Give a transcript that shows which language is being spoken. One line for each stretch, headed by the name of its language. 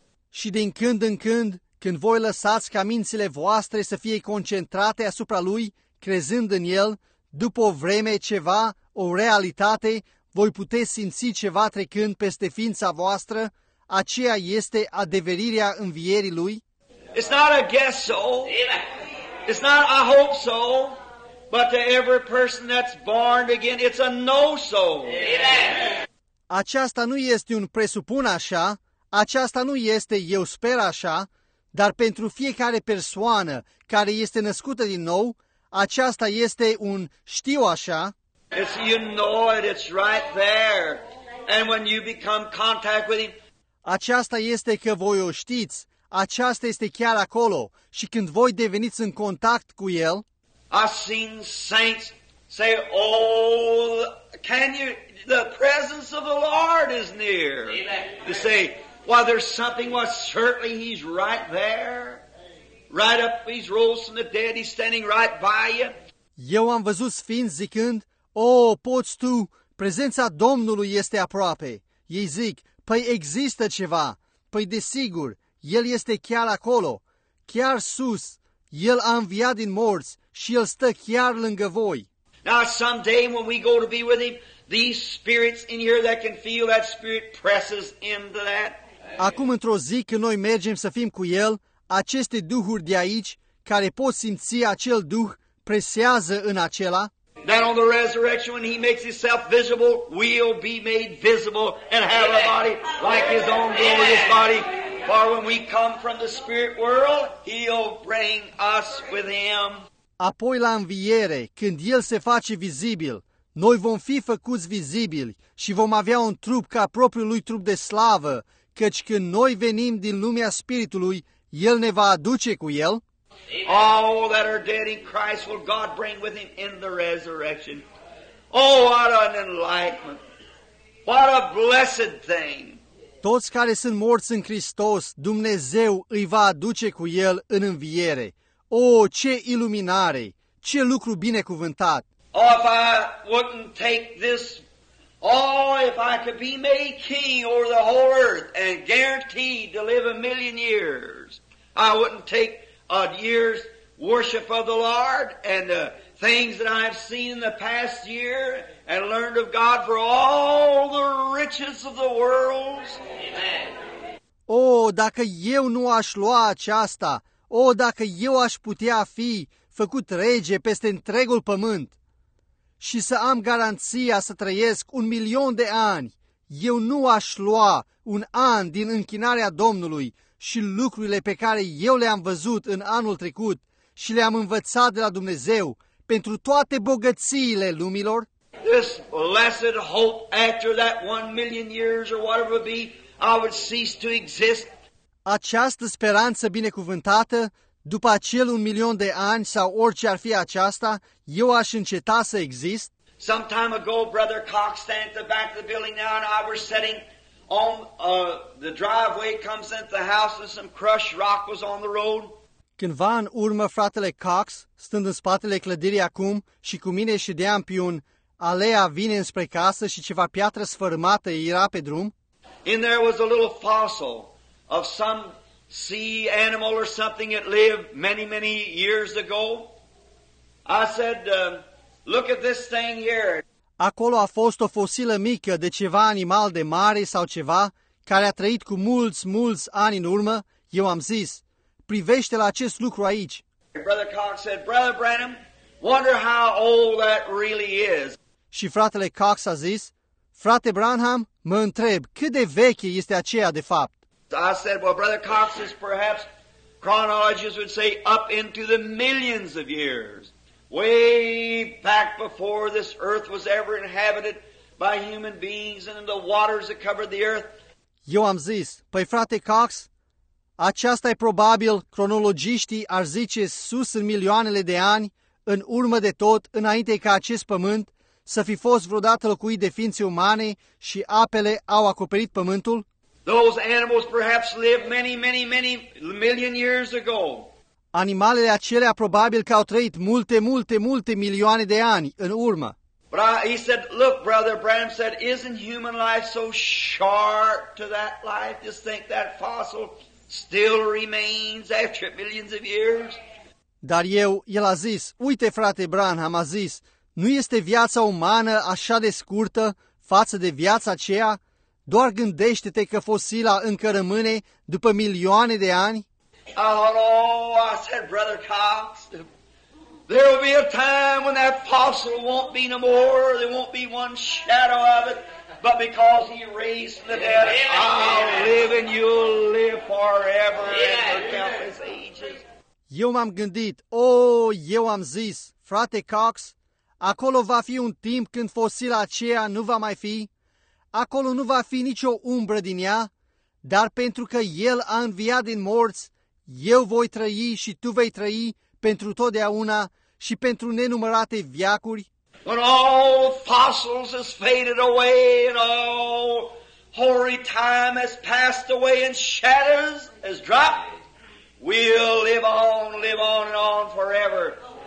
Romanian: Și din când în când, când voi lăsați ca mințile voastre să fie concentrate asupra lui, crezând în el, după o vreme ceva, o realitate, voi puteți simți ceva trecând peste ființa voastră, aceea este adeverirea învierii lui.
English: It's not a guess so. It's not a hope so. But to every person that's born again, it's a no so.
Romanian: Aceasta nu este un presupun așa, aceasta nu este eu sper așa, dar pentru fiecare persoană care este născută din nou, aceasta este un știu așa.
English: It's, you know it, it's right there. And when you become contact with him,
Romanian: aceasta este că voi o știți, aceasta este chiar acolo și când voi deveniți în contact cu el.
English: I've seen saints say, oh, can you, the presence of the Lord is near. Amen. To say, well, there's something, well, certainly he's right there. Right up, he's rose from the dead, he's standing right by you.
Romanian: Eu am văzut sfinți zicând, oh, poți tu, prezența Domnului este aproape. Ei zic, păi există ceva, păi desigur, el este chiar acolo, chiar sus, el a înviat din morți și el stă chiar lângă voi.
English: Now someday when we go to be with him, these spirits in here that can feel that spirit presses into that.
Romanian: Acum într-o zi când noi mergem să fim cu el, aceste duhuri de aici, care pot simți acel duh, presează în acela.
English: That on the resurrection when he makes himself visible, we'll be made visible and have a body like his own glorious body. For when we come from the spirit world, he'll bring us with him.
Romanian: Apoi la înviere, când el se face vizibil, noi vom fi făcuți vizibili și vom avea un trup ca propriul lui trup de slavă, căci când noi venim din lumea spiritului, el ne va aduce cu el.
English: All that are dead in Christ will God bring with him in the resurrection. Oh, what an enlightenment! What a blessed thing!
Romanian: Toți care sunt morți în Hristos, Dumnezeu îi va aduce cu el în înviere. Oh, ce iluminare! Ce lucru binecuvântat!
English: Oh, if I wouldn't take this, oh, if I could be made king over the whole earth and guaranteed to live a million years, I wouldn't take a year's worship of the Lord and the things that I've seen in the past year and learned of God for all the riches of the world.
Romanian: Oh, dacă eu nu aș lua aceasta, oh, dacă eu aș putea fi făcut rege peste întregul pământ și să am garanția să trăiesc un milion de ani, eu nu aș lua un an din închinarea Domnului și lucrurile pe care eu le-am văzut în anul trecut și le-am învățat de la Dumnezeu pentru toate bogățiile lumilor.
English: This blessed hope after that 1 million years or whatever be, I would cease to exist.
Romanian: Această speranță binecuvântată, după acel 1 milion de ani sau orice ar fi aceasta, eu aș înceta să exist.
English: Some time ago, Brother Cox stand at the back of the building now and I were sitting on the driveway comes into the house and some crushed rock was on the road.
Romanian: Cândva în urmă, fratele Cox, stând în spatele clădirii acum și cu mine ședeam pe un alea vine înspre casă și ceva piatră sfărâmată era pe drum.
English: In there was a little fossil of some sea animal or something that lived many, many years ago. I said, look at this thing here.
Romanian: Acolo a fost o fosilă mică de ceva animal de mare sau ceva, care a trăit cu mulți, mulți ani în urmă. Eu am zis, privește la acest lucru aici.
English: Brother Cox said, Brother Branham, wonder how old that really is.
Romanian: Și fratele Cox a zis, frate Branham, mă întreb, cât de veche este aceea de fapt?
English: I said, well, Brother Cox is perhaps, chronologists would say, up into the millions of years. Way back before this earth was ever inhabited by human beings and in the waters that covered the earth.
Romanian: Eu am zis, păi frate Cox, aceasta e probabil, cronologiștii ar zice sus în milioanele de ani, în urmă de tot, înainte ca acest pământ să fi fost vreodată locuit de ființe umane și apele au acoperit pământul?
English: Those animals perhaps lived many, many, many million years ago.
Romanian: Animalele acelea probabil că au trăit multe, multe, multe milioane de ani în urmă.
English: He said, look, Brother Branham said, isn't human life so short to that life? Just think that fossil still remains after millions of years.
Romanian: Dar el a zis, uite, frate Branham, a zis, nu este viața umană așa de scurtă față de viața aceea? Doar gândește-te că fosila încă rămâne după milioane de ani?
English: Oh, no, I said, Brother Cox, there will be a time when that fossil won't be no more, there won't be one shadow of it, but because he raised from the dead, I'll live and you'll live forever and for countless ages.
Romanian: Eu m-am gândit, eu am zis, frate Cox, acolo va fi un timp când fosila aceea nu va mai fi, acolo nu va fi nicio umbră din ea, dar pentru că el a înviat din morți, eu voi trăi și tu vei trăi pentru totdeauna și pentru nenumărate viacuri.
English: When all fossils has faded away and all hoary time has passed away and shadows has dropped, we'll live on and on forever.